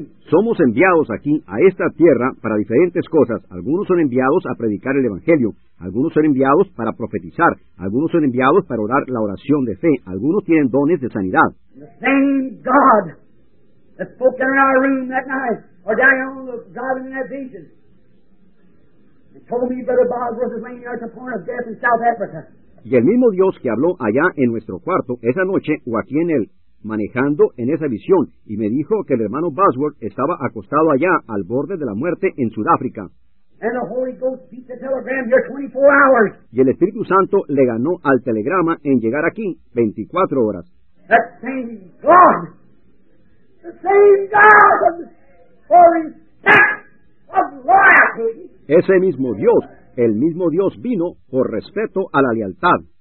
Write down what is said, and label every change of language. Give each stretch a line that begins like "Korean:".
Spanish: Somos enviados aquí a esta tierra para diferentes cosas. Algunos son enviados a predicar el evangelio, algunos son enviados para profetizar, algunos son enviados para orar la oración de fe, algunos tienen dones de sanidad.
English: The same God that spoke in our room that night, or down on the garden in that vision, and told me Brother Bosworth was laying at the point of death in South Africa.
Spanish: Y el mismo Dios que habló allá en nuestro cuarto esa noche o aquí en el manejando en esa visión y me dijo que el hermano Bosworth estaba acostado allá al borde de la muerte en Sudáfrica.
English: And the Holy Ghost beat the telegram here 24 hours.
Spanish: Y el Espíritu Santo le ganó al telegrama en llegar aquí 24 horas.
English: That same God, the same God for respect of loyalty.
Spanish: Ese mismo Dios, el mismo Dios vino por respeto a la lealtad.